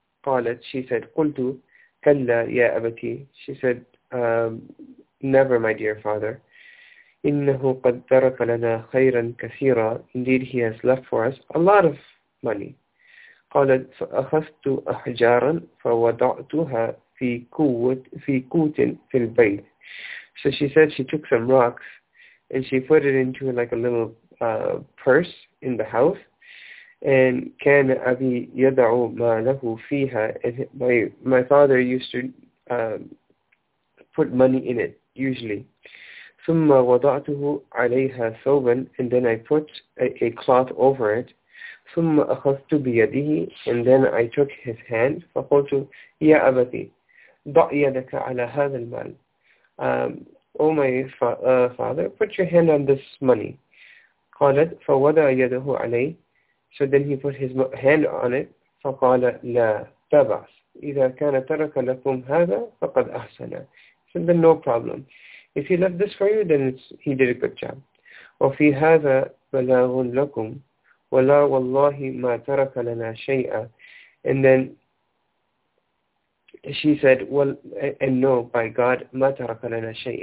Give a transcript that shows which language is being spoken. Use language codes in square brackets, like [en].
[en] قالت, she said, [ar] قلت كلا يا أبتي, [en] she said, never my dear father. [ar] إنه قد ترك لنا خيرا كثيرا, [en] indeed he has left for us a lot of money. [ar] قالت فأخذت أحجارا فوضعتها في قوت في البيت. [en] So she said she took some rocks and she put it into like a little purse in the house. And [ar] كان أبي يضع ما له فيها, [en] and my father used to put money in it usually. [ar] ثم وضعته عليها ثوبا, [en] and then I put a cloth over it. [ar] ثم أخذت بيده, [en] and then I took his hand. [ar] فقلت يا أبتي ضع يدك على هذا المال. [en] Oh my father, put your hand on this money. [ar] قالت فوضع يده علي, [en] so then he put his hand on it. [ar] فقال لا تبعث, إذا كان ترك لكم هذا فقد أحسن. [en] So then no problem. If he left this for you, then he did a good job. [ar] وَفِي هَذَا بَلَاغٌ لَكُمْ وَلَا وَاللَّهِ مَا تَرَكَ لَنَا شَيْئًا. [en] And then she said, well, and no, by God, [ar] مَا تَرَكَ لَنَا شَيْئًا.